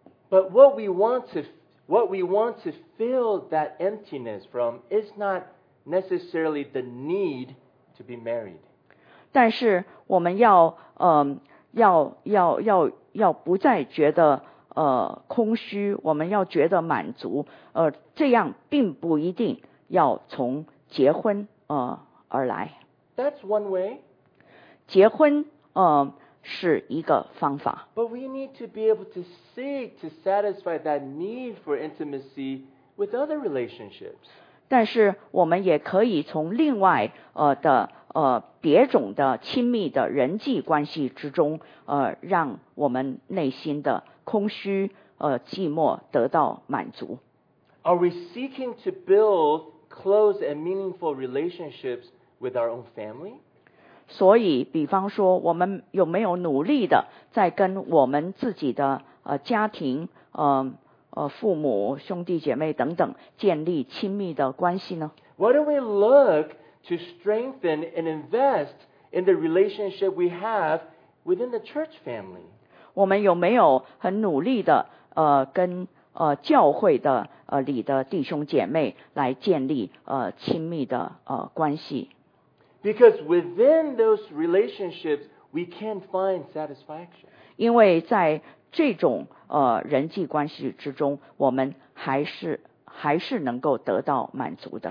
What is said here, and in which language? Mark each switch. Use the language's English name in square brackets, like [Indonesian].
[English] But what we want to fill that emptiness from is not necessarily the need to be married. [Chinese] 但是我们要不再觉得空虚，我们要觉得满足，这样并不一定要从结婚而来。 [English] That's one way. [Chinese] 结婚是一个方法。 [English] But we need to be able to seek to satisfy that need for intimacy with other relationships. [Chinese] 但是我们也可以从另外别种的亲密的人际关系之中让我们内心的空虚寂寞得到满足。 [English] Are we seeking to build close and meaningful relationships with our own family? [Chinese] 所以比方说我们有没有努力的在跟我们自己的家庭父母兄弟姐妹等等建立亲密的关系呢？ [English] What do we look to strengthen and invest in the relationship we have within the church family? [Chinese] 我们有没有很努力的跟教会的里的弟兄姐妹来建立亲密的关系？ [English] Because within those relationships we can find satisfaction. [Chinese] 因为在这种人际关系之中，我们还是能够得到满足的。